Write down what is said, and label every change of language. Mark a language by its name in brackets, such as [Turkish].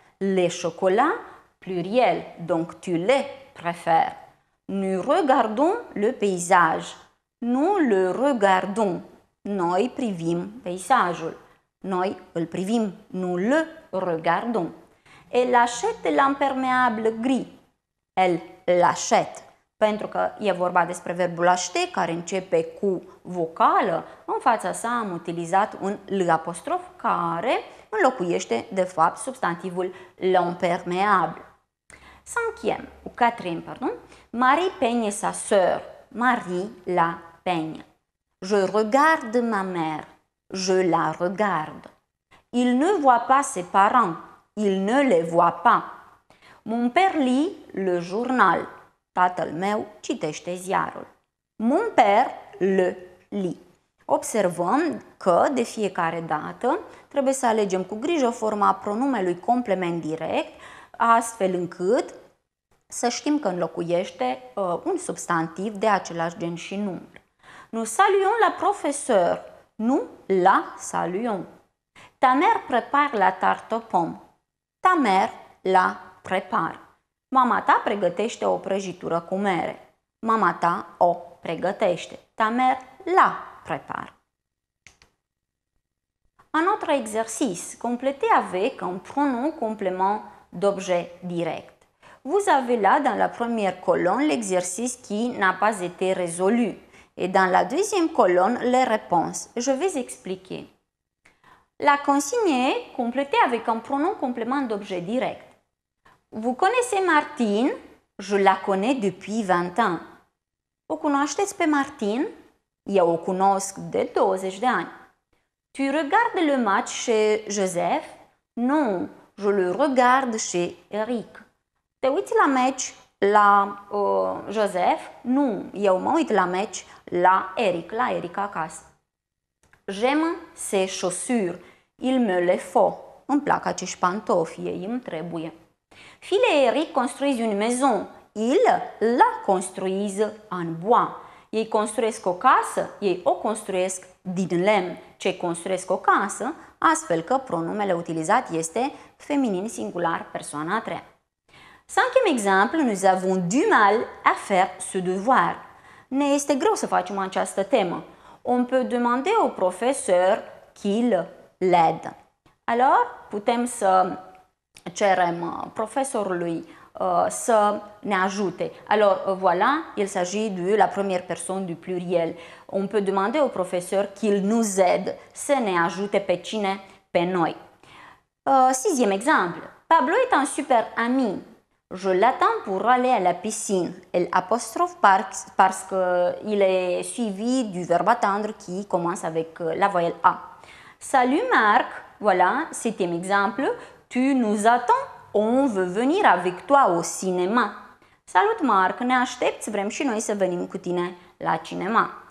[French] Le chocolat, pluriel, donc tu les préfères. Nous regardons le paysage. Nous le regardons. [Romanian] Noi privim peisajul. Noi îl privim. [French] Nous le regardons. Elle achète l'imperméable gris. Elle l'achète. [Romanian] Pentru că e vorba despre verbul aște, care începe cu vocală, în fața sa am utilizat un l apostrof care înlocuiește, de fapt, substantivul l'imperméable. [French] Cinquième, ou quatrième, pardon, Marie peigne sa sœur. Marie la peigne. Je regarde ma mère. Je la regarde. Il ne voit pas ses parents. Il ne les voit pas. Mon père lit le journal. [Romanian] Tatăl meu citește ziarul. [French] Mon père le lit. [Romanian] Observăm că de fiecare dată trebuie să alegem cu grijă forma pronumelui complement direct, astfel încât să știm că înlocuiește un substantiv de același gen și număr. [French] Nous saluons la professeur. Nu la saluons. Ta mère prépare la tarte aux pommes. Ta mère la prépare. [Romanian] Mama ta pregătește o prăjitură cu mere. Mama ta o pregătește. [French] Ta mère la prépare. Un autre exercice, complété avec un pronom complément d'objet direct. Vous avez là dans la première colonne l'exercice qui n'a pas été résolu et dans la deuxième colonne les réponses. Je vais expliquer. La consigne est complétée avec un pronom complément d'objet direct. Vous connaissez Martine? Je la connais depuis 20 ans. [Romanian] O cunoașteți pe Martine? Eu o cunosc de 20 de ani. [French] Tu regardes le match chez Joseph? Non, je le regarde chez Eric. [Romanian] Te uiți la meci la Joseph? Nu, eu mă uit la meci la Eric, la Eric acasă. [French] J'aime ses chaussures. Il me les faut. [Romanian] Îmi plac acești pantofi, ei îmi trebuie. [French] File Eric construise une maison. Il la construise en bois. [Romanian] Ei construiesc o casă, ei o construiesc din lemn. Ce construiesc o casă, astfel că pronumele utilizat este feminin singular persoana a treia. [French] Cinquième exemple, nous avons du mal à faire ce devoir. [Romanian] Ne este greu să facem această temă. [French] On peut demander au professeur qu'il l'aide. [Romanian] Alors, putem să cerem profesorului să ne ajute. [French] Alors, voilà, il s'agit de la première personne du pluriel. On peut demander au professeur qu'il nous aide, [Romanian] să ne ajute pe cine? Pe noi. [French] Sixième exemple, Pablo est un super ami. Je l'attends pour aller à la piscine. Elle apostrophe parce qu'il est suivi du verbe attendre qui commence avec la voyelle A. Salut Marc, voilà, septième exemple. Tu nous attends, on veut venir avec toi au cinéma. [Romanian] Salut Marc, ne aștepți, vrem și noi să venim cu tine la cinema.